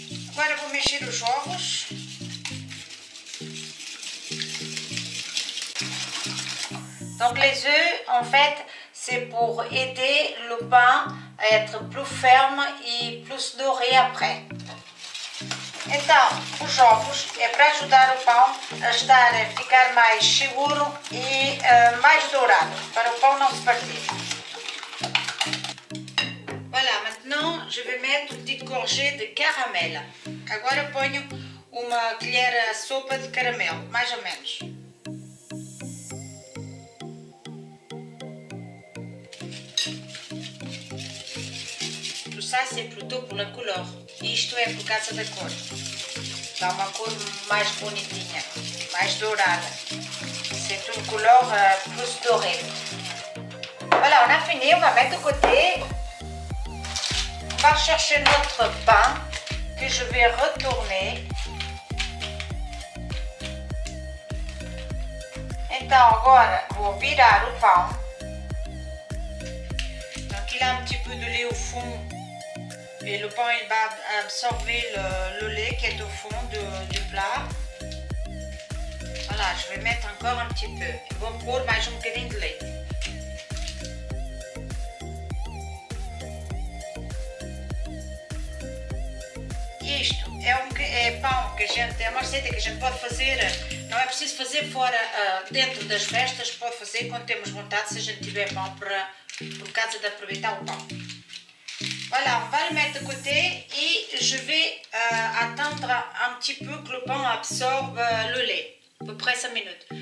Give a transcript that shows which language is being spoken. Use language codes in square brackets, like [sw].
[pt] Agora vou mexer os ovos. [fr] Donc les œufs, en fait, C'est pour aider le pain à être plus ferme et plus doré après. [pt] Então, os ovos é para ajudar o pão a estar a ficar mais seguro e mais dourado, para o pão não se partir. [fr] Voilà, maintenant je vais mettre une petite gorgée de caramel. [pt] Agora ponho uma colher à sopa de caramelo, mais ou menos. [fr] Ça c'est plutôt pour la couleur. [pt] Isto é por causa da cor. Dá uma cor mais bonitinha, mais dourada. [fr] C'est une couleur plus dorée. Voilà, on a fini, on va mettre de côté. On va chercher notre pain que je vais retourner. [pt] Então agora vou virar o pão. [fr] Donc il a un petit peu de lait au fond. Et le pain il va absorber le lait qui est au fond du plat. Voilà, je vais mettre encore un petit peu. Il va pour mais un petit peu de lait. [pt] Isto é pão que a gente, é uma receita que a gente pode fazer, não é preciso fazer fora, dentro das festas, pode fazer quando temos vontade, se a gente tiver pão para, por causa de aproveitar o pão. [fr] Voilà, on va le mettre de côté et je vais attendre un petit peu que le pain absorbe le lait, à peu près 5 minutes.